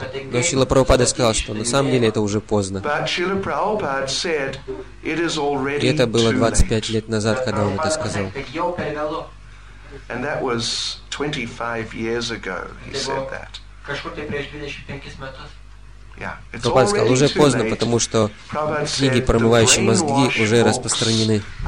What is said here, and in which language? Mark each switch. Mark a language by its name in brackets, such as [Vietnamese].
[Russian] Но Шрила Прабхупада сказал, что на самом деле это уже поздно. И это было 25 лет назад, когда он это сказал. [English] And that was 25 years ago, he said that. [Russian] Прабхупада сказал, уже поздно, потому что книги, промывающие мозги, уже распространены.